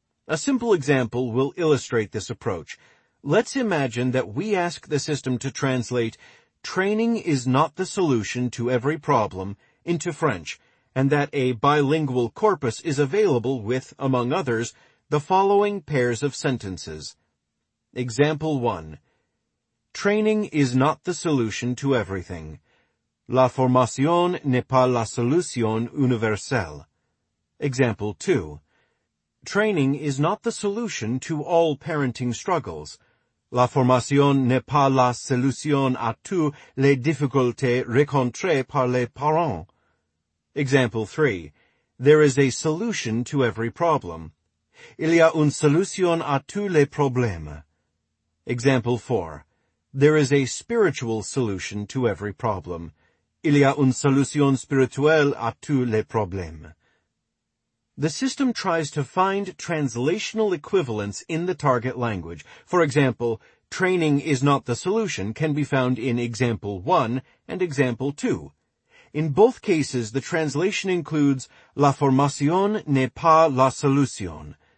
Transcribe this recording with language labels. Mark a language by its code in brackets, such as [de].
[en] A simple example will illustrate this approach. Let's imagine that we ask the system to translate "training is not the solution to every problem" into French, and that a bilingual corpus is available with, among others, the following pairs of sentences. Example 1. Training is not the solution to everything. [fr] La formation n'est pas la solution universelle. [en] Example 2. Training is not the solution to all parenting struggles. [fr] La formation n'est pas la solution à toutes les difficultés rencontrées par les parents. Example 3. [en] There is a solution to every problem. [fr] Il y a une solution à tous les problèmes. Example 4. [en] There is a spiritual solution to every problem. [fr] Il y a une solution spirituelle à tous les problèmes. [en] The system tries to find translational equivalents in the target language. For example, training is not the solution can be found in example 1 and example 2. In both cases, the translation includes [fr] la formation n'est pas la solution.